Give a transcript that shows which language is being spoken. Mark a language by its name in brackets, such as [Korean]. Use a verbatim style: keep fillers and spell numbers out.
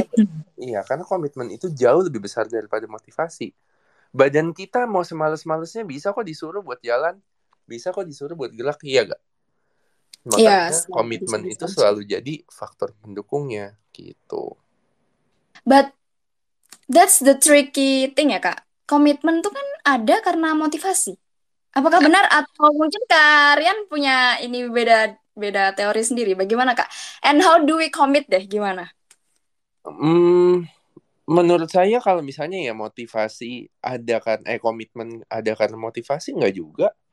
[Indonesian] Komitmen. iya, karena komitmen itu jauh lebih besar daripada motivasi. Badan kita mau semales-malesnya bisa kok disuruh buat jalan, bisa kok disuruh buat gerak, iya gak? Iya, Makanya selalu komitmen itu disentuh. selalu jadi faktor pendukungnya gitu. [English] But that's the tricky thing ya, Kak. [Indonesian] Komitmen tuh kan ada karena motivasi. Apakah benar atau mungkin Kak Rian punya ini beda beda teori sendiri? Bagaimana, Kak? [English] And how do we commit [Indonesian] deh? Gimana? Hmm, Menurut saya kalau misalnya ya motivasi ada kan eh komitmen ada karena motivasi nggak juga,